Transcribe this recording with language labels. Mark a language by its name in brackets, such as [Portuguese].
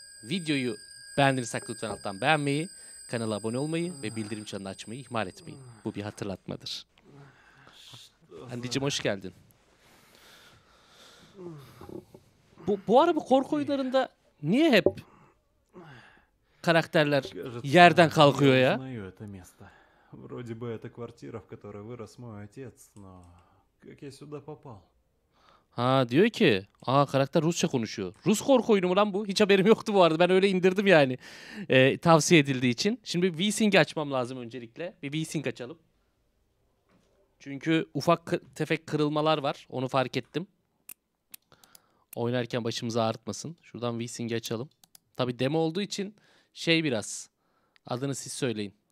[Turkish] Videoyu beğendiysek lütfen alttan beğenmeyi, kanala abone olmayı ve bildirim çanını açmayı ihmal etmeyin. Bu bir hatırlatmadır. Andy'cim hoş geldin. Bu ara bu korku oyunlarında niye hep karakterler yerden kalkıyor ya? [Russian] Вроде бы это квартира, в которой вырос мой отец, но как я сюда попал? [Turkish] Ha diyor ki, karakter Rusça konuşuyor. Rus korku oyunu mu lan bu? Hiç haberim yoktu bu arada. Ben öyle indirdim yani. Tavsiye edildiği için. Şimdi V-Sync açmam lazım öncelikle. Bir V-Sync açalım. Çünkü ufak tefek kırılmalar var. Onu fark ettim. Oynarken başımızı ağrıtmasın. Şuradan V-Sync'i açalım. Tabii demo olduğu için şey biraz. Adını siz söyleyin.